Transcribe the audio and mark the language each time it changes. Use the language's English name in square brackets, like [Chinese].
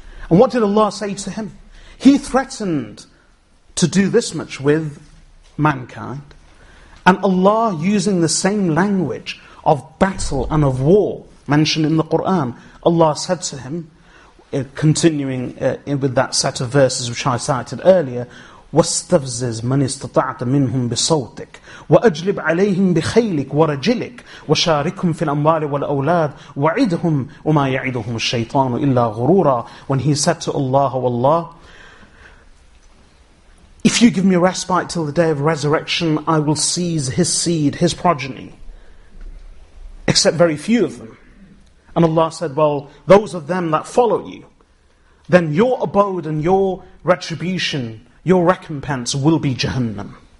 [English] And what did Allah say to him? He threatened to do this much with mankind. And Allah, using the same language of battle and of war mentioned in the Quran, Allah said to him, continuing with that set of verses which I cited earlier, [Arabic] واستفزز من استطعت منهم بصوتك وأجلب عليهم بخيلك ورجلك وشاركهم في الأموال والأولاد وعدهم وما يعدهم الشيطان إلا غرورا. [English] When he said to Allah, O Allah, if you give me respite till the day of resurrection, I will seize his seed, his progeny, except very few of them. And Allah said, well, those of them that follow you, then your abode and your retribution, your recompense will be Jahannam.